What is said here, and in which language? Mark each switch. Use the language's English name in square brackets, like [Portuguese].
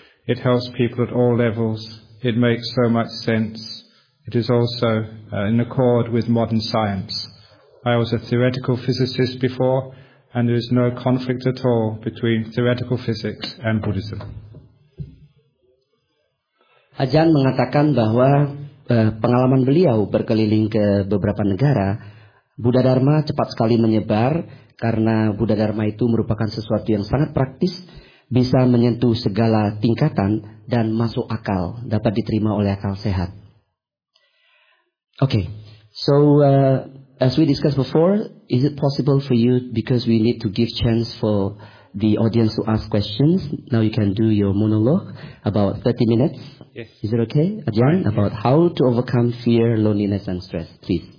[English] It helps people at all levels. It makes so much sense. It is also in accord with modern science. I was a theoretical physicist before, and there is no conflict at all between theoretical physics and Buddhism. [Indonesian] Ajahn mengatakan bahwa pengalaman beliau berkeliling ke beberapa negara, Buddha Dharma cepat sekali menyebar karena Buddha Dharma itu merupakan sesuatu yang sangat praktis, bisa menyentuh segala tingkatan dan masuk akal, dapat diterima oleh akal sehat. [English] Okay, so as we discussed before, is it possible for you, because we need to give chance for the audience to ask questions, now you can do your monologue about 30 minutes. Yes. Is it okay, Ajahn, about how to overcome fear, loneliness and stress, please?